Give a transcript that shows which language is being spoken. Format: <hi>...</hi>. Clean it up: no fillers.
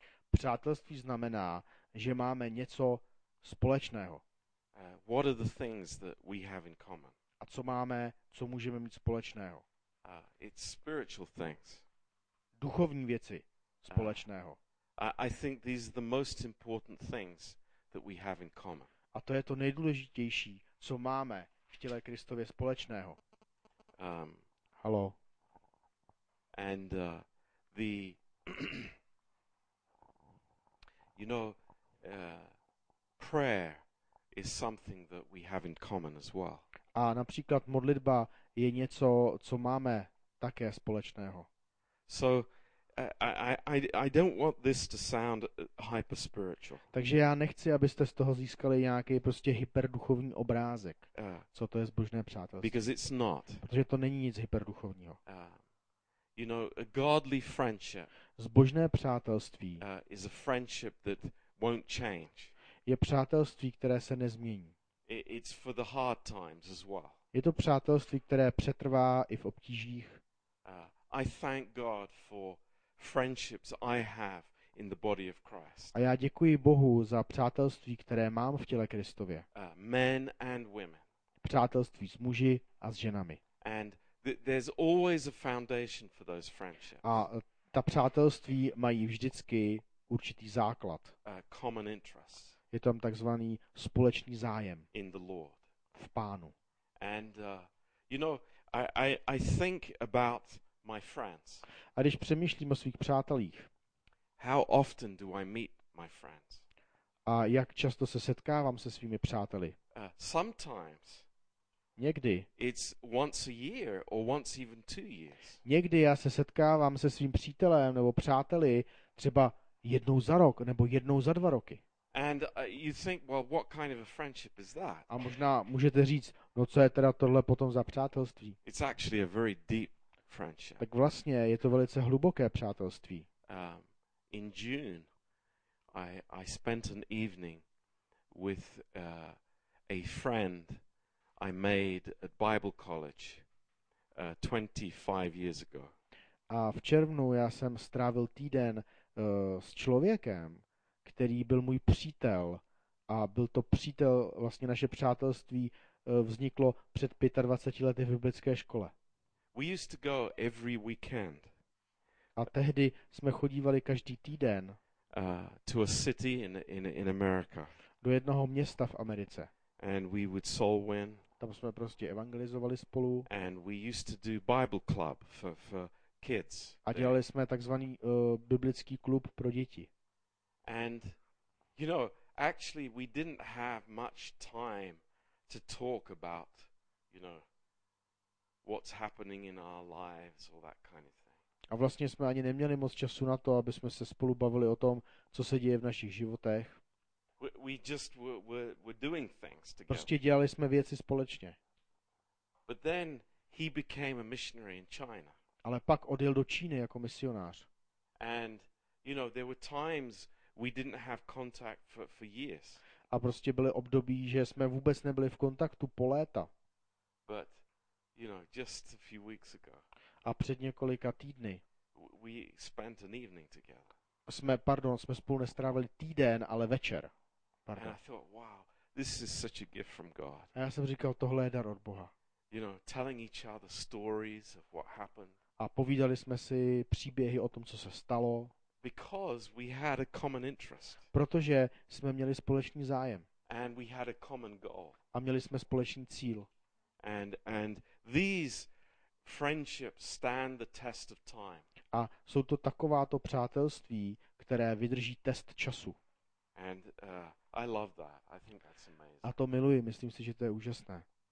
<cs>Přátelství znamená, že máme něco společného.</cs> <en>What are the things that we have in common?</en> <cs>A co máme, co můžeme mít společného?</cs> <en>It's spiritual things.</en> <cs>Duchovní věci společného.</cs> <en>I think these are the most important things that we have in common.</en> <cs>A to je to nejdůležitější, co máme v těle Kristově společného. Halo.</cs> <en>And the you know, prayer is something that we have in common as well.</en> <cs>A například modlitba je něco, co máme také společného.</cs> <en>So I don't want this to sound hyper spiritual.</en> <cs>Takže já nechci, abyste z toho získali nějaký prostě hyperduchovní obrázek, co to je zbožné přátelství.</cs> <en>Because it's not.</en> <cs>Protože to není nic hyperduchovního.</cs> <en>You know, a godly friendship.</en> <cs>Zbožné přátelství.</cs> <en>Is a friendship that won't change.</en> <cs>Je přátelství, které se nezmění.</cs> <en>It's for the hard times as well.</en> <cs>Je to přátelství, které přetrvá i v obtížích.</cs> <en>I thank God for friendships I have in the body of Christ.</en> <cs>A já děkuji Bohu za přátelství, které mám v těle Kristově.</cs> <en>Men and women.</en> <cs>Přátelství s muži a s ženami.</cs> <en>And there's always a foundation for those friendships.</en> <cs>A ta přátelství mají vždycky určitý základ.</cs> <en>Common interest.</en> <cs>Je tam takzvaný společný zájem.</cs> <en>In the Lord.</en> <cs>V Pánu.</cs> <en>And you know, I think about my friends.</en> <cs>A když přemýšlím o svých přátelích.</cs> <en>How often do I meet my friends?</en> <cs>A jak často se setkávám se svými přáteli?</cs> <en>Sometimes.</en> <cs>Někdy.</cs> <en>It's once a year or once even 2 years.</en> <cs>Někdy já se setkávám se svým přítelem nebo přáteli třeba jednou za rok nebo jednou za 2 roky.</cs> <en>And you think, well, what kind of a friendship is that?</en> <cs>A možná můžete říct, no co je teda tohle potom za přátelství?</cs> <en>It's actually a very deep friendship.</en> <cs>Tak vlastně je to velice hluboké přátelství.</cs> <en>In June I spent an evening with a friend I made at Bible College 25 years ago.</en> <cs>A v červnu já jsem strávil týden s člověkem, který byl můj přítel a byl to přítel, vlastně naše přátelství vzniklo před 25 lety v biblické škole.</cs> <en>We used to go every weekend.</en> <cs>A tehdy jsme chodívali každý týden</cs> <en>to a city in America.</en> <cs>Do jednoho města v Americe.</cs> <en>And we would soul win.</en> <cs>Tam jsme prostě evangelizovali spolu.</cs> <en>And we used to do Bible club for kids.</en> <cs>A dělali jsme takzvaný biblický klub pro děti.</cs> <en>And you know, actually we didn't have much time to talk about, you know, what's happening in our lives, all that kind of thing.</en> <cs>A vlastně jsme ani neměli moc času na to, aby jsme se spolu bavili o tom, co se děje v našich životech.</cs> <en>We just were doing things together.</en> <cs>Prostě dělali jsme věci společně.</cs> <en>But then he became a missionary in China.</en> <cs>Ale pak odjel do Číny jako misionář.</cs> <en>And you know, there were times we didn't have contact for years.</en> <cs>A prostě byly období, že jsme vůbec nebyli v kontaktu po léta.</cs> <en>But you know, just a few weeks ago.</en> <cs>A před několika týdny.</cs> <en>We spent an evening together.</en> <cs>Jsme spolu nestrávili týden, ale večer. Pardon.</cs> <en>And I thought, wow, this is such a gift from God.</en> <cs>A já jsem říkal, tohle je dar od Boha.</cs> <en>You know, telling each other stories of what happened.</en> <cs>A povídali jsme si příběhy o tom, co se stalo.</cs> <en>Because we had a common interest.</en> <cs>Protože jsme měli společný zájem.</cs> <en>And we had a common goal.</en> <cs>A měli jsme společný cíl.</cs> <en>And these friendships stand the test of time.</en> <cs>A jsou to takováto přátelství, které vydrží test času.</cs> <en>And I love that. I think that's amazing.</en> <cs>A to miluji, myslím si, že to je úžasné.</cs>